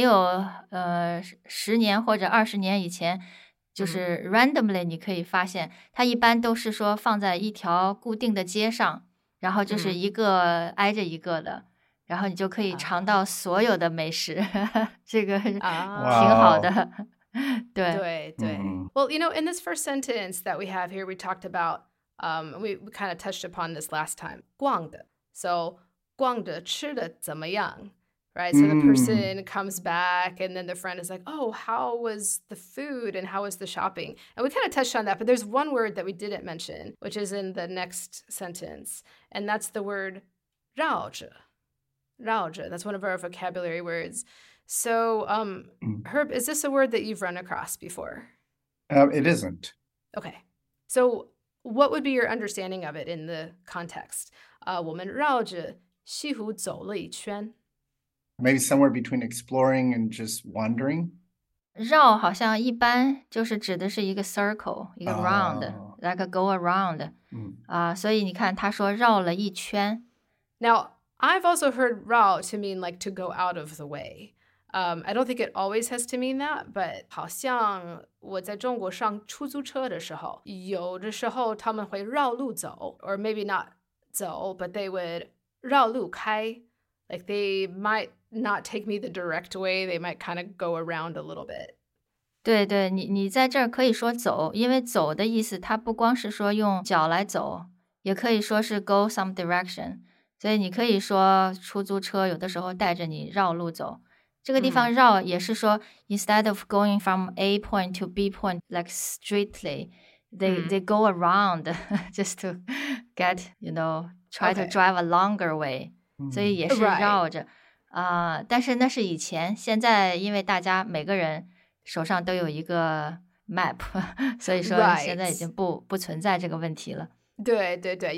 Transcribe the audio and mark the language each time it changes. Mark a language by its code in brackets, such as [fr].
[zh] 对，现在好像没有十年或者二十年以前 就是 [en] randomly [zh] 你可以发现 它一般都是说放在一条固定的街上 然后就是一个挨着一个的 然后你就可以尝到所有的美食 这个挺好的对对对 [en] Well, you know, in this first sentence that we have here, we talked about, we kind of touched upon this last time, 逛的. [zh] So 逛的吃的怎么样? [en] Right, so the person comes back and then the friend is like, oh, how was the food and how was the shopping? And we kind of touched on that, but there's one word that we didn't mention, which is in the next sentence, and that's the word 绕着. 绕着, that's one of our vocabulary words. So, Herb, is this a word that you've run across before? It isn't. Okay. So what would be your understanding of it in the context? [zh] 我们绕着西湖走了一圈. [en] Maybe somewhere between exploring and just wandering. [zh] 绕好像一般就是指的是一个 circle, 一个 [en] round, like a go around. [zh] 所以你看他说绕了一圈. [en] Now, I've also heard 绕 to mean like to go out of the way. I don't think it always has to mean that, but [zh] 好像我在中国上出租车的时候，有的时候他们会绕路走, [en] or maybe not 走, but they would 绕路开, like they might not take me the direct way, they might kind of go around a little bit. [zh] 对对，你在这儿可以说走, 因为走的意思它不光是说用脚来走, 也可以说是 [en] go some direction, [zh] 所以你可以说出租车有的时候带着你绕路走。这个地方绕也是说 [en] instead of going from A point to B point like straightly, they go around just to get, you know, try to drive a longer way. [zh] 所以也是绕着，但是那是以前，现在因为大家每个人手上都有一个 map， 所以说现在已经不存在这个问题了。对对对，